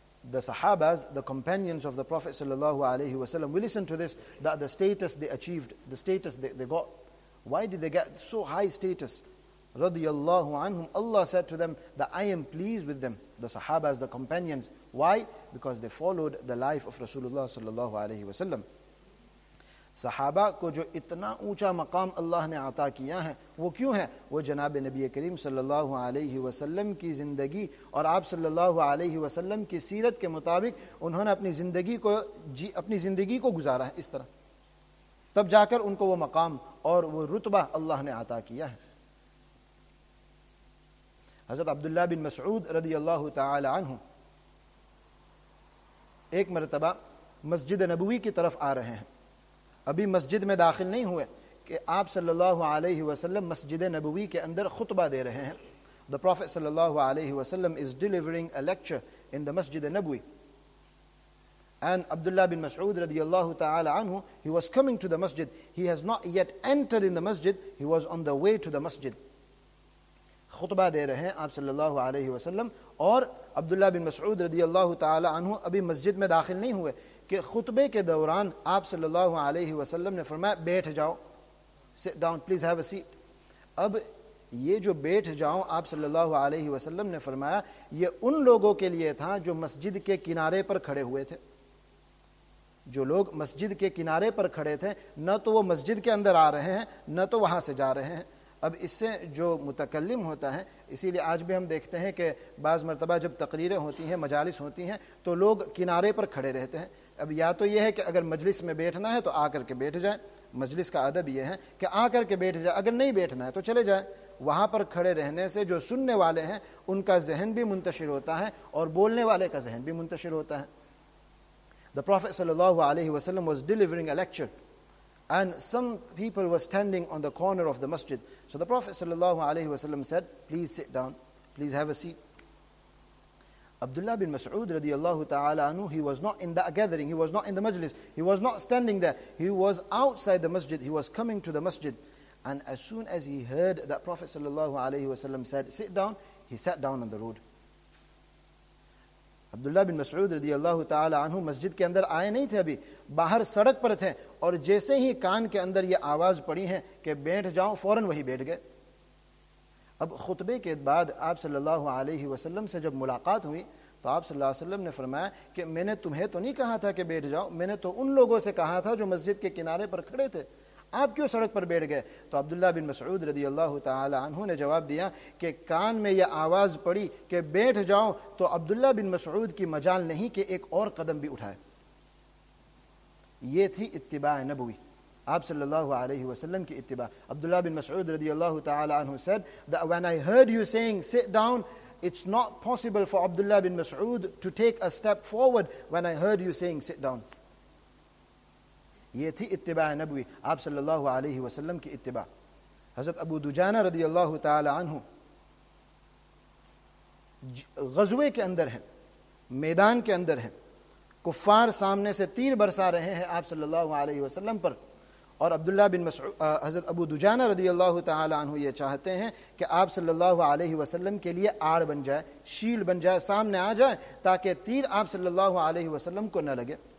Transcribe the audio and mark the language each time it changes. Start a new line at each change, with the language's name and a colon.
English: The Sahabas, the companions of the Prophet sallallahu alayhi wa sallam, we listen to this, that the status they achieved, the status they got. Why did they get so high status? Radiyallahu anhum, Allah said to them that I am pleased with them, the Sahabas, the companions. Why? Because they followed the life of Rasulullah sallallahu alayhi wa sallam.
Urdu: صحابہ کو جو اتنا اونچا مقام اللہ نے عطا کیا ہے وہ کیوں ہے وہ جناب نبی کریم صلی اللہ علیہ وسلم کی زندگی اور آپ صلی اللہ علیہ وسلم کی سیرت کے مطابق انہوں نے اپنی زندگی کو گزارا ہے اس طرح تب جا کر ان کو وہ مقام اور وہ رتبہ اللہ نے عطا کیا ہے حضرت عبداللہ بن مسعود رضی اللہ تعالی عنہ ایک مرتبہ مسجد نبوی کی طرف آ رہے ہیں ابھی مسجد میں داخل نہیں ہوئے کہ آپ صلی اللہ علیہ وسلم مسجد نبوی کے اندر خطبہ دے رہے ہیں
English: The Prophet صلی اللہ علیہ وسلم is delivering a lecture in the Masjid Nabawi And Abdullah bin Mas'ud رضی اللہ تعالی عنہ He was coming to the masjid
Urdu: He has not yet entered in the masjid He was on the way to the masjid خطبہ دے رہے ہیں آپ صلی اللہ علیہ وسلم, اور عبداللہ بن مسعود رضی اللہ تعالی عنہ ابھی مسجد میں داخل نہیں ہوئے کہ خطبے کے دوران آپ صلی اللہ علیہ وسلم نے فرمایا بیٹھ جاؤ,
English: Sit down, please have a seat.
Urdu: اب یہ جو بیٹھ جاؤ آپ صلی اللہ علیہ وسلم نے فرمایا, یہ ان لوگوں کے لیے تھا جو مسجد کے کنارے پر کھڑے ہوئے تھے. جو لوگ مسجد کے کنارے پر کھڑے تھے, نہ تو وہ مسجد کے اندر آ رہے ہیں نہ تو وہاں سے جا رہے ہیں. اب اس سے جو متکلم ہوتا ہے, اسی لیے آج بھی ہم دیکھتے ہیں کہ بعض مرتبہ جب تقریریں ہوتی ہیں, مجالس ہوتی ہیں, تو لوگ کنارے پر کھڑے رہتے ہیں. اب یا تو یہ ہے کہ اگر مجلس میں بیٹھنا ہے تو آ کر کے بیٹھ جائیں, مجلس کا ادب یہ ہے کہ آ کر کے بیٹھ جائیں, اگر نہیں بیٹھنا ہے تو چلے جائیں. وہاں پر کھڑے رہنے سے جو سننے والے ہیں ان کا ذہن بھی منتشر ہوتا ہے اور بولنے والے کا ذہن بھی منتشر ہوتا ہے.
English: The Prophet sallallahu alaihi wasallam was delivering a lecture and some people were standing on the corner of the masjid. So the Prophet sallallahu alaihi wasallam said, please sit down, please have a seat. Abdullah bin Mas'ud radiyallahu ta'ala anhu, he was not in that gathering, he was not in the majlis, he was not standing there, he was outside the masjid, he was coming to the masjid. And as soon as he heard that Prophet sallallahu alaihi wasallam said, sit down, he sat down on the road.
Urdu: عبداللہ بن مسعود رضی اللہ تعالی عنہ مسجد کے اندر آئے نہیں تھے, ابھی باہر سڑک پر تھے, اور جیسے ہی کان کے اندر یہ آواز پڑی ہے کہ بیٹھ جاؤں, فوراً وہی بیٹھ گئے. اب خطبے کے بعد آپ صلی اللہ علیہ وسلم سے جب ملاقات ہوئی تو آپ صلی اللہ علیہ وسلم نے فرمایا کہ میں نے تمہیں تو نہیں کہا تھا کہ بیٹھ جاؤ, میں نے تو ان لوگوں سے کہا تھا جو مسجد کے کنارے پر کھڑے تھے, آپ کیوں سڑک پر بیٹھ گئے؟ تو عبداللہ بن مسعود رضی اللہ تعالی عنہ نے جواب دیا کہ کان میں یہ آواز پڑی کہ بیٹھ جاؤ تو عبداللہ بن مسعود کی مجال نہیں کہ ایک اور قدم بھی اٹھائے. یہ تھی اتباع نبوی, آپ صلی اللہ علیہ وسلم کی اتباع.
English: عبداللہ بن مسعود رضی اللہ تعالی عنہ said that when I heard you saying sit down, it's not possible for Abdullah bin Mas'ud to take a step forward when I heard you saying sit down.
Urdu: یہ تھی اتباع نبوی, آپ صلی اللہ علیہ وسلم کی اتباع. حضرت ابو دجانہ رضی اللہ تعالی عنہ غزوے کے اندر ہیں, میدان کے اندر ہیں, کفار سامنے سے تیر برسا رہے ہیں آپ صلی اللہ علیہ وسلم پر, اور عبداللہ بن مسعود, حضرت ابو دجانہ رضی اللہ تعالی عنہ یہ چاہتے ہیں کہ آپ صلی اللہ علیہ وسلم کے لیے آڑ بن جائے, شیل بن جائے, سامنے آ جائے تاکہ تیر آپ صلی اللہ علیہ وسلم کو نہ لگے.